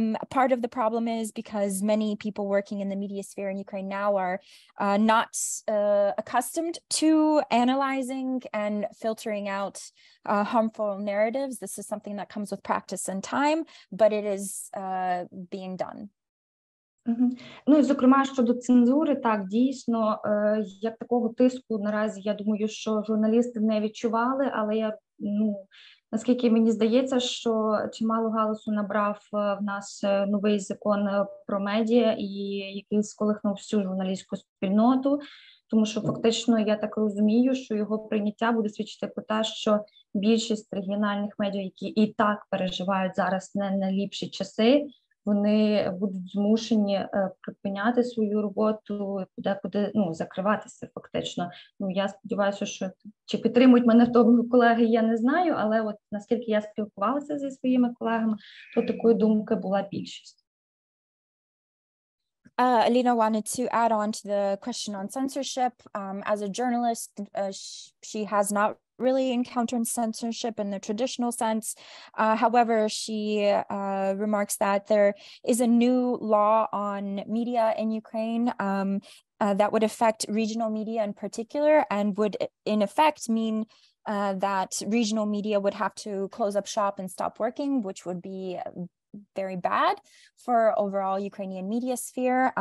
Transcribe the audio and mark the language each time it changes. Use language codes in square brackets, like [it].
[en] Part of the problem is because many people working in the media sphere in Ukraine now are not accustomed to analyzing and filtering out harmful narratives. This is something that comes with practice and time, but it is being done. Mm-hmm. [uk] Ну, і зокрема, щодо цензури, так, дійсно, як такого тиску наразі, я думаю, що журналісти не відчували, але я, ну, наскільки мені здається, що чимало галасу набрав в нас новий закон про медіа, і який сколихнув всю журналістську спільноту, тому що фактично я так розумію, що його прийняття буде свідчити про те, що більшість регіональних медіа, які і так переживають зараз не найліпші часи, вони будуть змушені припиняти свою роботу, куди ну, закриватися фактично. Ну, я сподіваюся, що чи підтримують мене в тому колеги, я не знаю, але от наскільки я спілкувалася зі своїми колегами, то такої думки була більшість. [en] Alina wanted to add on to the question on censorship. As a journalist, she has not really encountered censorship in the traditional sense. However, she remarks that there is a new law on media in Ukraine that would affect regional media in particular and would in effect mean that regional media would have to close up shop and stop working, which would be very bad for overall Ukrainian media sphere.